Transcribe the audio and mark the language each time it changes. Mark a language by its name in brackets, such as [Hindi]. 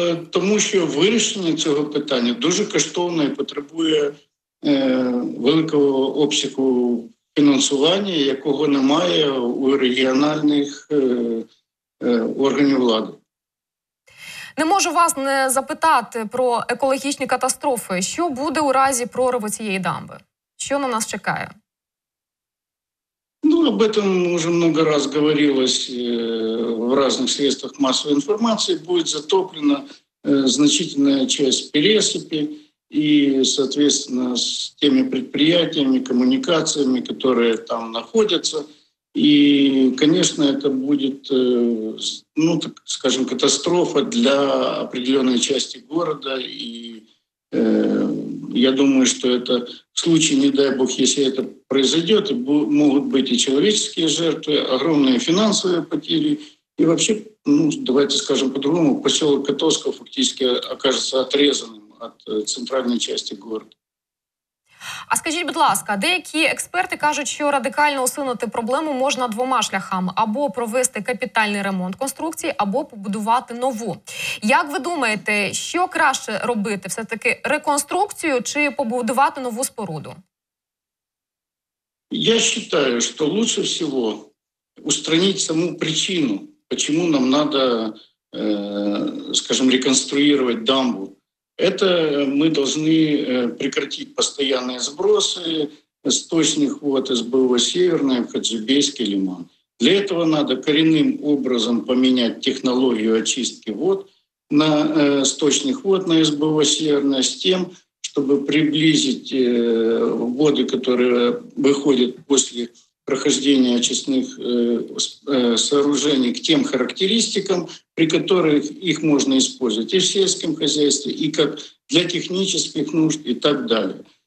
[Ukrainian] Тому що вирішення цього питання дуже коштовне і потребує великого обсягу фінансування, якого немає у регіональних органів влади. Не можу вас не запитати про екологічні катастрофи. Що буде у разі прориву цієї дамби? Що на нас чекає? [Russian] Ну, об этом уже много раз говорилось в разных средствах массовой информации. Будет затоплена значительная часть Пересыпи и, соответственно, с теми предприятиями, коммуникациями, которые там находятся. И, конечно, это будет, ну, так скажем, катастрофа для определенной части города. И я думаю, что это в случае, не дай бог, если это произойдет, могут быть и человеческие жертвы, огромные финансовые потери. И вообще, ну, давайте скажем по-другому, поселок Котовского фактически окажется отрезанным от центральной части города. [Ukrainian] А скажіть, будь ласка, деякі експерти кажуть, що радикально усунути проблему можна двома шляхами. Або провести капітальний ремонт конструкції, або побудувати нову. Як ви думаєте, що краще робити? Все-таки реконструкцію чи побудувати нову споруду? Я вважаю, що краще всього устранити саму причину, чому нам треба, скажімо, реконструювати дамбу. [Russian] Это мы должны прекратить постоянные сбросы сточных вод СБО «Северная» в Хаджибейский лиман. Для этого надо коренным образом поменять технологию очистки вод на сточных вод на СБО «Северная» с тем, чтобы приблизить воды, которые выходят после прохождения очистных сооружений к тем характеристикам, при которых их можно использовать и в сельском хозяйстве, и как для технических нужд и так далее.